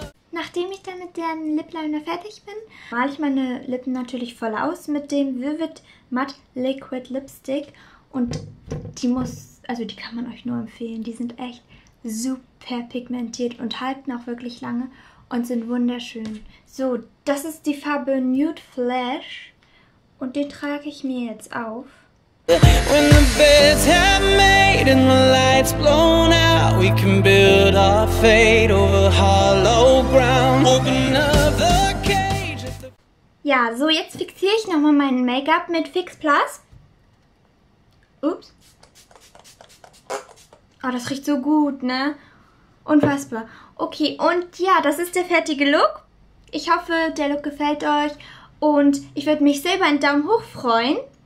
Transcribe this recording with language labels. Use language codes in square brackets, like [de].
[de] Nachdem ich dann mit dem Lip Liner fertig bin, male ich meine Lippen natürlich voll aus mit dem Vivid Matte Liquid Lipstick. Und die kann man euch nur empfehlen. Die sind echt super pigmentiert und halten auch wirklich lange und sind wunderschön. So, das ist die Farbe Nude Flash und den trage ich mir jetzt auf. [en] When the beds have made and the lights blown out, we can build our fate over hollow ground. Open up the cage. [de] Ja, so jetzt fixiere ich nochmal mein Make-up mit Fix Plus. Ups. Oh, das riecht so gut, ne? Unfassbar. Okay, und ja, das ist der fertige Look. Ich hoffe, der Look gefällt euch. Und ich würde mich selber einen Daumen hoch freuen.